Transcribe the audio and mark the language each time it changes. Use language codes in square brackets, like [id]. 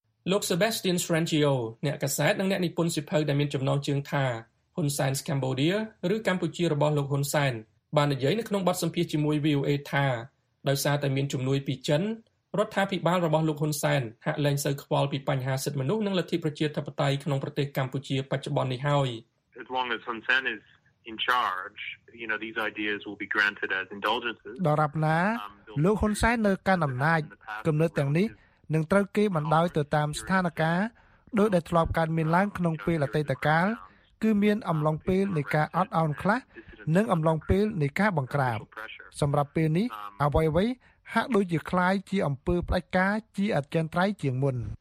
[km] លោក Sebastian Strangio អ្នកកាសែតនិងអ្នកនិពន្ធសិភៅដែលមានចំណងជើងថាហ៊ុនសែនកម្ពុជាឬកម្ពុជារបស់លោកហ៊ុនសែនបាននិយាយនៅក្នុងបទសម្ភាសន៍ជាមួយ VOA ថាដោយសារតែមានជំនួយពីចិនរដ្ឋាភិបាលរបស់លោកហ៊ុនសែនហាក់លែងសូវខ្វល់ពីបញ្ហាសិទ្ធិមនុស្សនិងលទ្ធិប្រជាធិបតេយ្យក្នុងប្រទេសកម្ពុជាបច្ចុប្បន្ននេះហើយ [en] As long as Hun Sen is in charge you know these ideas will be granted as indulgences [km] ដរាបណាលោកហ៊ុនសែននៅកាន់អំណាចកំណត់ទាំងនេះនឹងត្រូវគេបណ្ដោយទៅតាមស្ថានភាពដោយដែលធ្លាប់កើតមានឡើងក្នុងពេលអតីតកាលគឺមានអំឡុងពេលនៃការអត់អោនខ្លះនិងអំឡុងពេលនៃការបង្ក្រាបសម្រាប់ពេលនេះអ្វីៗហាក់ដូចជា [th] คล้าย [km] ជាអំពើផ្ដាច់ការជាអចិន្ត្រៃយ៍ជាងមុន